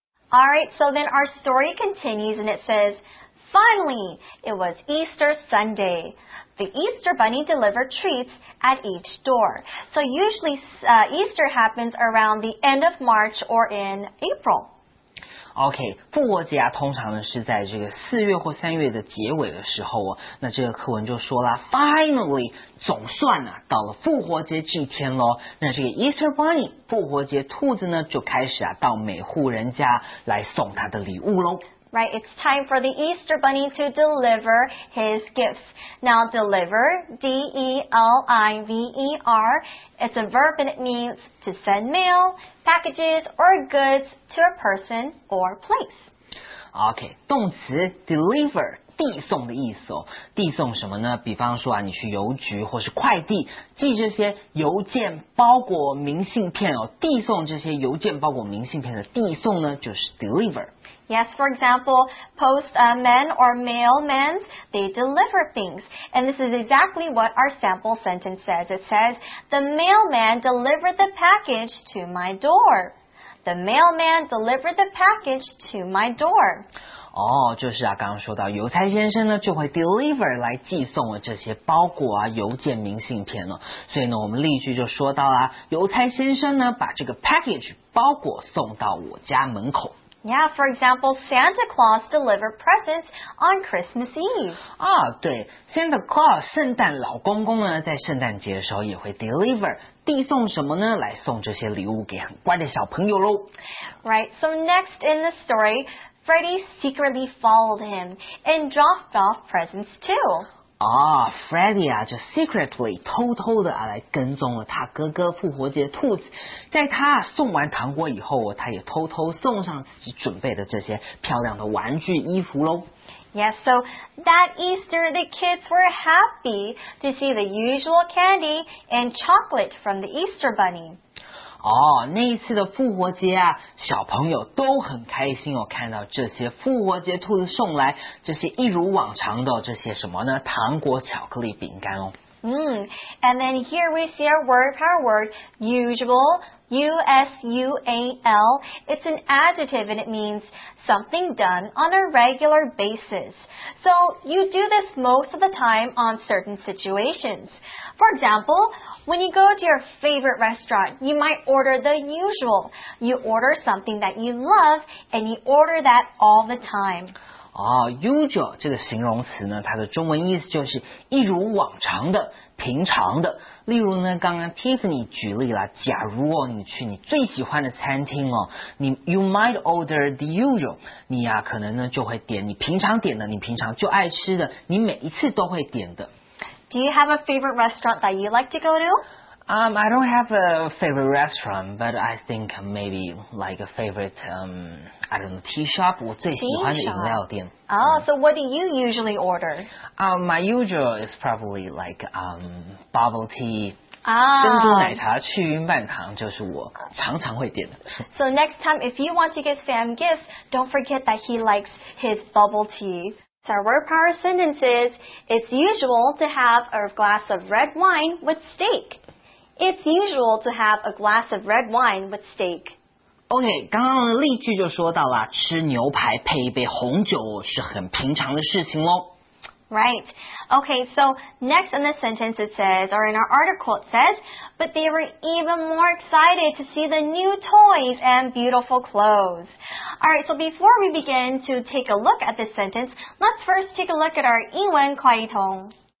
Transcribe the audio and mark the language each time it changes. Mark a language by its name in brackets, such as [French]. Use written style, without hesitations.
[English] All right, so then our story continues and it says, Finally, it was Easter Sunday. The Easter Bunny delivered treats at each door. So usually, Easter happens around the end of March or in April. [Chinese] OK, 复活节啊通常呢是在这个四月或三月的结尾的时候哦，那这个课文就说了 ,finally, 总算啊到了复活节这一天咯，那这个 Easter Bunny, 复活节兔子呢就开始啊到每户人家来送他的礼物咯。 [English] Right, it's time for the Easter Bunny to deliver his gifts. Now deliver, D-E-L-I-V-E-R, it's a verb and it means to send mail, packages, or goods to a person or place. [Chinese] Okay, 动词 deliver, 递送的意思哦。递送什么呢？比方说啊，你去邮局或是快递，寄这些邮件、包裹、明信片哦。递送这些邮件、包裹、明信片的递送呢，就是 deliver. [English] Yes, for example, postmen or mailmen, they deliver things. And this is exactly what our sample sentence says. It says, the mailman delivered the package to my door. The mailman delivered the package to my door. [Chinese] 哦，就是啊，刚刚说到邮差先生呢，就会 deliver 来寄送了这些包裹啊、邮件、明信片了。所以呢，我们例句就说到啊，邮差先生呢，把这个 package 包裹送到我家门口。 [English] Yeah, for example, Santa Claus delivered presents on Christmas Eve. [Chinese] 啊，对， Santa Claus 圣诞老公公呢，在圣诞节的时候也会 deliver 递送什么呢？来送这些礼物给很乖的小朋友喽。 [English] Right. So next in the story, Freddy secretly followed him and dropped off presents too. [Chinese] Freddy 啊，就 secretly 偷偷的啊来跟踪了他哥哥复活节兔子，在他送完糖果以后，他也偷偷送上自己准备的这些漂亮的玩具衣服喽。 [English] Yes, so that Easter, the kids were happy to see the usual candy and chocolate from the Easter Bunny. [Chinese] 哦，那一次的复活节啊，小朋友都很开心哦，看到这些复活节兔子送来这些一如往常的这些什么呢？糖果、巧克力、饼干哦。 [English] And then here we see our word power word usual, U-S-U-A-L. It's an adjective and it means something done on a regular basis. So you do this most of the time on certain situations. For example, when you go to your favorite restaurant, you might order the usual. You order something that you love and you order that all the time. [Chinese] Usual 这个形容词呢，它的中文意思就是一如往常的、平常的。例如呢，刚刚 Tiffany 举例了，假如哦，你去你最喜欢的餐厅哦，你 [English] you might order the usual， [Chinese] 你呀、啊、可能呢就会点你平常点的，你平常就爱吃的，你每一次都会点的。 [English] Do you have a favorite restaurant that you like to go to? I don't have a favorite restaurant, but I think maybe like a favorite, I don't know, tea shop. [Chinese] 我最喜欢的饮料店。 [English] So what do you usually order? My usual is probably like bubble tea. 啊、 [Chinese] 珍珠奶茶、去冰半糖就是我常常会点的。 [English] So next time, if you want to get Sam gifts, don't forget that he likes his bubble tea. So our word power sentence is, it's usual to have a glass of red wine with steak. It's usual to have a glass of red wine with steak. [Chinese] OK, 刚刚的例句就说到了，吃牛排配一杯红酒是很平常的事情咯。 [English] Right. OK, so next in the sentence it says, or in our article it says, but they were even more excited to see the new toys and beautiful clothes. All right, so before we begin to take a look at this sentence, let's first take a look at our 英文快译通。